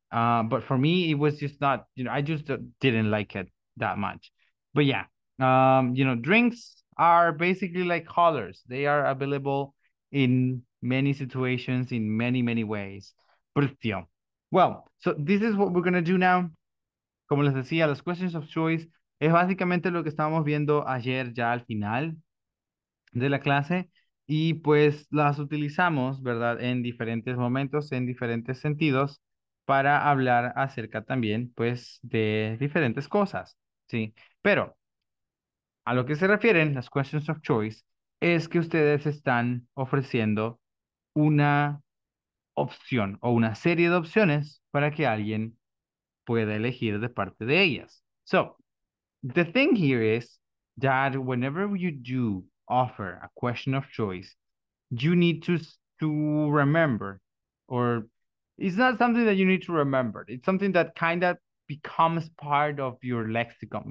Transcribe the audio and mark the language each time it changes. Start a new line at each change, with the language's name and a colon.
English: But for me, it was just not, you know, I just didn't like it that much. But yeah, you know, drinks are basically like colors. They are available in many situations in many, many ways. Well, so this is what we're going to do now.
Spanish: Como les decía, las questions of choice es básicamente lo que estábamos viendo ayer ya al final de la clase. Y pues las utilizamos, ¿verdad? En diferentes momentos, en diferentes sentidos, para hablar acerca también, pues, de diferentes cosas, ¿sí? Pero a lo que se refieren las questions of choice es que ustedes están ofreciendo una opción o una serie de opciones para que alguien pueda elegir de parte de ellas.
English: So, the thing here is that whenever you do offer a question of choice, you need to remember, or it's not something that you need to remember. It's something that kind of becomes part of your lexicon.